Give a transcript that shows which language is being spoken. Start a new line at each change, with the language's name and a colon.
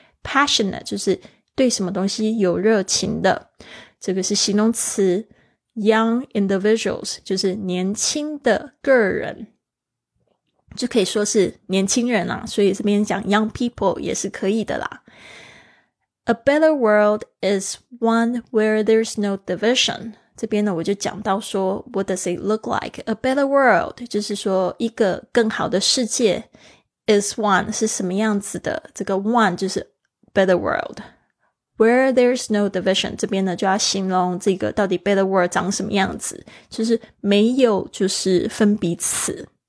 Chinese: Passionate 就是对什么东西有热情的，这个是形容词。 Young individuals 就是年轻的个人，就可以说是年轻人啦，所以这边讲 young people 也是可以的啦。
English: A better world is one where there's no division，
Chinese: 这边呢我就讲到说
English: What does it look like? A better world
Chinese: 就是说一个更好的世界。
English: Is one
Chinese: 是什么样子的，这个 one 就是 better world。
English: Where there's no division
Chinese: 这边呢就要形容这个到底 better world 长什么样子，就是没有就是分彼此。